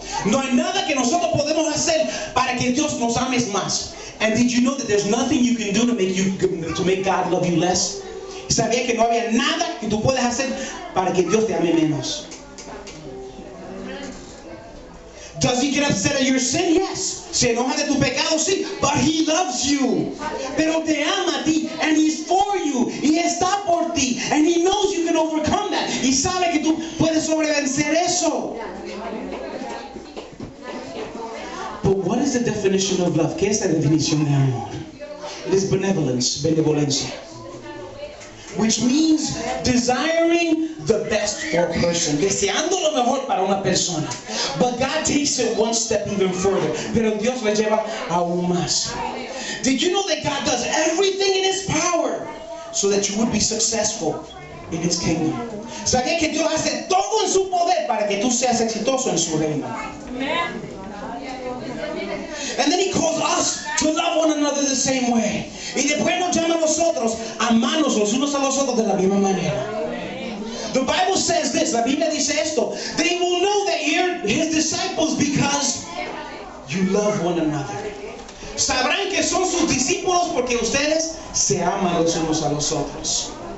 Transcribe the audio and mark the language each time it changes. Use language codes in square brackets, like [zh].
[es] No hay nada que nosotros podemos hacer para que Dios nos ame más. [en] And did you know that there's nothing you can do to make God love you less? [es] ¿Sabía que no había nada que tú puedas hacer para que Dios te ame menos? [en] Does he get upset at your sin? Yes. [es] ¿Se enoja de tu pecado? Sí. [en] But he loves you. [es] Pero te ama a ti. [en] And he's for you. [es] Y está por ti. [en] And he knows you can overcome that. [es] Y sabe que tú puedes sobrevencer eso. [en] But what is the definition of love? [es] ¿Qué es la definición de amor? [en] It is benevolence. Benevolencia. which means desiring the best for a person, [es] deseando lo mejor para una persona. [en] But God takes it one step even further. [es] Pero Dios lo lleva aún más. [en] Did you know that God does everything in His power so that you would be successful in His kingdom? [es] ¿Sabes que Dios hace todo en su poder para que tú seas exitoso en su reino? [en] And then He calls us to love one another the same way. [es] Y después nos llama a nosotros a amarnos los unos a los otros de la misma manera. [en] The Bible says this, [es] la Biblia dice esto, [en] they will know that you're His disciples because you love one another. [es] Sabrán que son sus discípulos porque ustedes se aman los unos a los otros.